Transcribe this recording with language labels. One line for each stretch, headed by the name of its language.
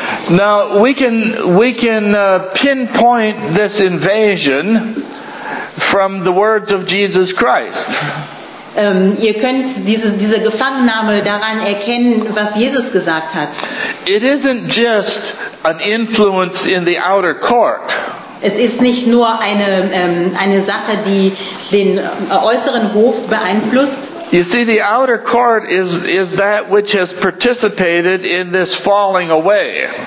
English: Now we can pinpoint this invasion from the words of Jesus Christ.
German: Ihr könnt diese Gefangennahme daran erkennen, was Jesus gesagt hat.
English: It isn't just an influence in the outer court.
German: Es ist nicht nur eine Sache, die den äußeren Hof beeinflusst.
English: You see, the outer court is that which has participated in this falling away.